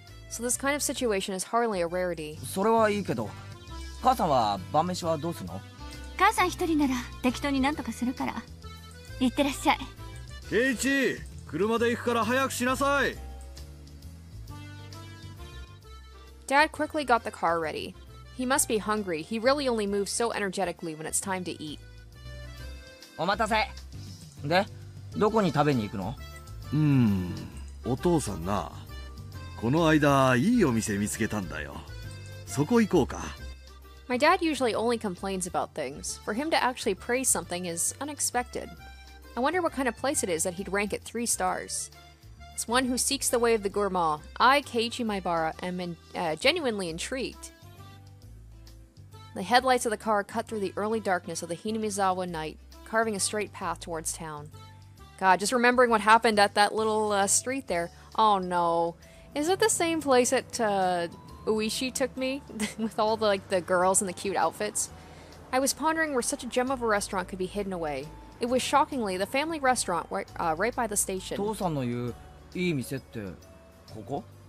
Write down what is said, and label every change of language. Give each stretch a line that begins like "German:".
English: So this kind of situation is hardly a rarity.
Japanese: それはいいけど、母さんは晩飯はどうするの？母さん一人なら適当になんとかするから。行ってらっしゃい。ケイチ、車で行くから早くしなさい。
English: Dad quickly got the car ready. He must be hungry. He really only moves so energetically when it's time to eat.
Japanese: お待たせ。で、どこに食べに行くの？お父さんな、この間いいお店見つけたんだよ。そこ行こうか。
English: My dad usually only complains about things. For him to actually praise something is unexpected. I wonder what kind of place it is that he'd rank it 3 stars. It's one who seeks the way of the gourmand. I, Keiichi Maibara, am genuinely intrigued. The headlights of the car cut through the early darkness of the Hinamizawa night, carving a straight path towards town. God, just remembering what happened at that little street there. Oh no. Is it the same place that Uishi took me? With all the girls in the cute outfits? I was pondering where such a gem of a restaurant could be hidden away. It was shockingly the family restaurant right by the station.
Japanese: 父さんの言ういい店ってここ